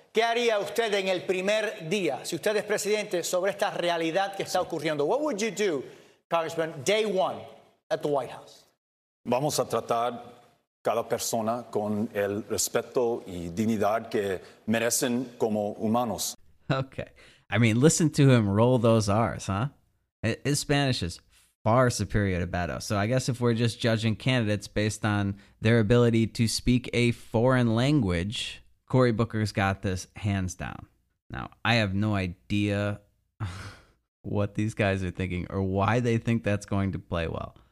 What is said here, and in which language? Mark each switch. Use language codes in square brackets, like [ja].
[es] ¿Qué haría usted en el primer día, si usted es presidente, sobre esta realidad que está ocurriendo? [en] What would you do, Congressman, day one at the White House? [es] Vamos a tratar cada persona con el respeto y dignidad que merecen como humanos. [en] Okay. I mean, listen to him roll those R's, huh? His Spanish is far superior to Beto. So I guess if we're just judging candidates based on their ability to speak a foreign language, Cory Booker's got this hands down. Now, I have no idea what these guys are thinking or why they think that's going to play well.